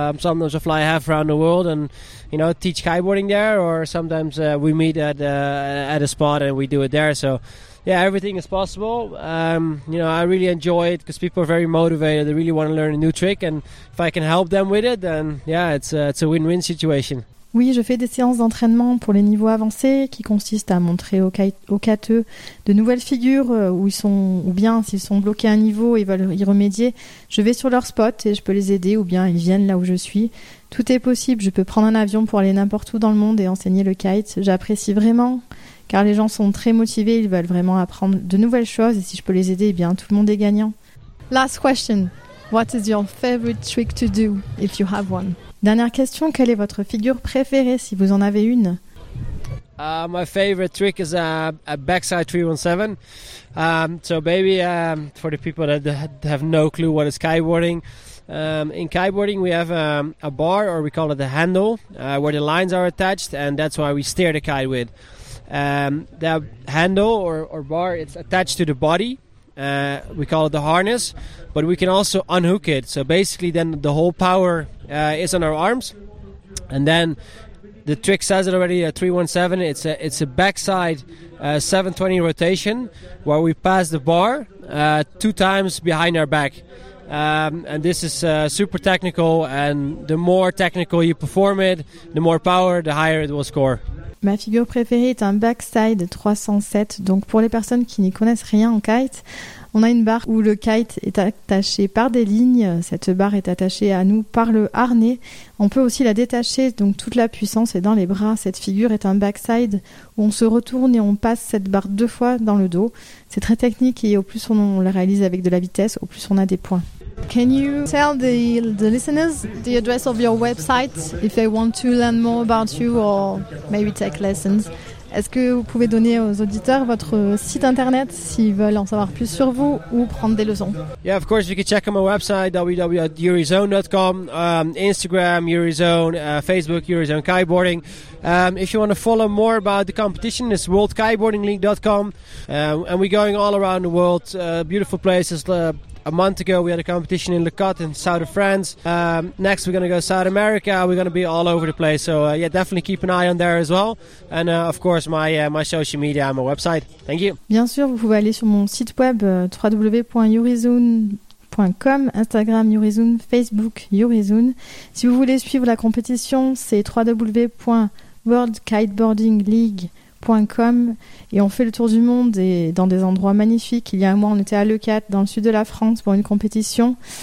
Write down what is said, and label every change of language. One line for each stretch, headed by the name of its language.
English: Sometimes I fly half around the world and teach kiteboarding there, or sometimes we meet at a spot and we do it there. So yeah, everything is possible. I really enjoy it because people are very motivated. They really want to learn a new trick, and if I can help them with it, then yeah, it's a win-win situation.
French: Oui, je fais des séances d'entraînement pour les niveaux avancés qui consistent à montrer aux kateux de nouvelles figures où ils sont, ou bien s'ils sont bloqués à un niveau et veulent y remédier, je vais sur leur spot et je peux les aider, ou bien ils viennent là où je suis. Tout est possible, je peux prendre un avion pour aller n'importe où dans le monde et enseigner le kite. J'apprécie vraiment car les gens sont très motivés, ils veulent vraiment apprendre de nouvelles choses, et si je peux les aider, eh bien tout le monde est gagnant.
English: Last question, what is your favorite trick to do if you have one?
French: Dernière question, quelle est votre figure préférée si vous en avez une?
English: My favorite trick is a backside 317. For the people that have no clue what is kiteboarding, in kiteboarding we have a bar, or we call it the handle, where the lines are attached, and that's why we steer the kite with. The handle or bar, it's attached to the body. We call it the harness, but we can also unhook it. So basically then the whole power is on our arms. And then the trick says it already, 317, it's a backside 720 rotation where we pass the bar two times behind our back. And this is super technical, and the more technical you perform it, the more power, the higher it will score.
French: Ma figure préférée est un backside 307. Donc pour les personnes qui n'y connaissent rien en kite, on a une barre où le kite est attaché par des lignes. Cette barre est attachée à nous par le harnais. On peut aussi la détacher, donc toute la puissance est dans les bras. Cette figure est un backside où on se retourne et on passe cette barre deux fois dans le dos. C'est très technique et au plus on la réalise avec de la vitesse, au plus on a des points.
English: Can you tell the listeners the address of your website if they want to learn more about you or maybe take lessons?
French: Est-ce que vous pouvez donner aux auditeurs votre site internet s'ils veulent en savoir plus sur vous ou prendre des leçons?
English: Yeah, of course, you can check on my website www.yurizone.com, Instagram Yurizone, Facebook Yurizone Kiteboarding. If you want to follow more about the competition, it's worldkiteboardingleague.com, and we're going all around the world, beautiful places. A month ago, we had a competition in Le Cotte in the south of France. Next, we're going to go South America. We're going to be all over the place. So, definitely keep an eye on there as well. And of course, my social media and my website. Thank you.
French: Bien sûr, vous pouvez aller sur mon site web www.yurizone.com, Instagram Yurizone, Facebook Yurizone. Si vous voulez suivre la compétition, c'est www.worldkiteboardingleague.com. Et on fait le tour du monde et dans des endroits magnifiques. Il y a un mois, on était à Le Cotte, dans le sud de la France, pour une compétition.